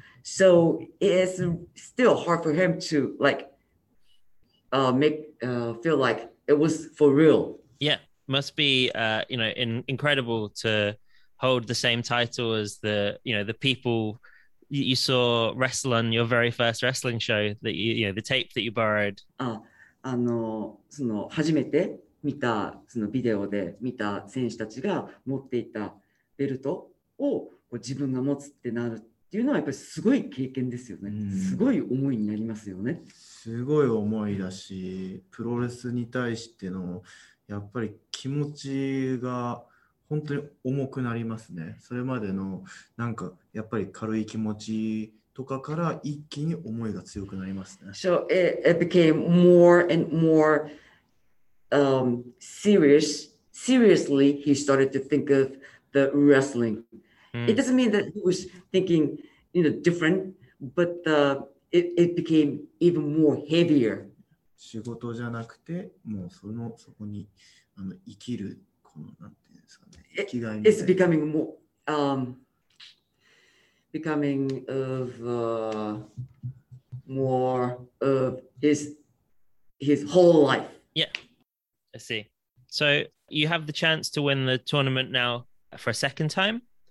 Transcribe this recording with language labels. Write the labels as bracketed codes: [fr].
[en] So it's still hard for him to feel like it was for real. Yeah, must be incredible to hold the same title as the people you saw wrestle on your very first wrestling show that the tape that you borrowed. [ja] その初めて見たそのビデオで見た選手たちが持っていたベルトを自分が持つってなるっていうのはやっぱりすごい経験ですよね、うん、すごい思いになりますよね。すごい思いだし、プロレスに対してのやっぱり気持ちが本当に重くなりますね。それまでのなんかやっぱり軽い気持ちとかから一気に思いが強くなりますね。 [en] So it became more and more、seriously he started to think of the wrestling、mm. It doesn't mean that he was thinking you know different but theIt became even more heavier. [ja] 仕事じゃなくて、もうそこにあの生きるこのなんていうんですかね、生きがいみたいな。 [en] It's becoming more, becoming of more of his whole life. Yeah, I see. So you have the chance to win the tournament now for a second time.